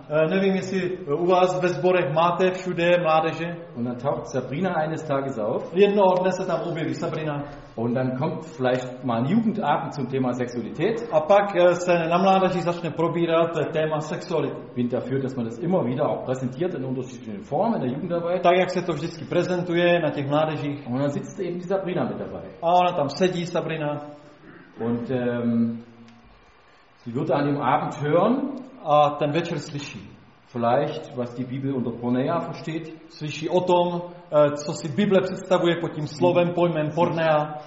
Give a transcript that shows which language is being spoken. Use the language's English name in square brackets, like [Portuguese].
[Czech] Nevím, jestli u vás ve sborech máte všude mládeže. [German] Und dann taucht Sabrina eines Tages auf. [Czech] Jednoho dne se tam objeví Sabrina. [German] Und dann kommt vielleicht mal ein Jugendabend zum Thema Sexualität. [Czech] A pak se na mládeži začne probírat téma sexuality. [German] Bin dafür, dass man das immer wieder auch präsentiert in unterschiedlichen Formen in der Jugendarbeit. [Czech] Tak, jak se to vždycky prezentuje na těch mládežích. [German] Und dann sitzt eben die Sabrina mit dabei. [Czech] A ona tam sedí, Sabrina. [German] Und sie wird an dem Abend hören, dann wird es slyší. Vielleicht, was die Bibel unter Pornea versteht. [Czech] Slyší o tom, co si Bible představuje pod tím slovem, pojmem Pornea.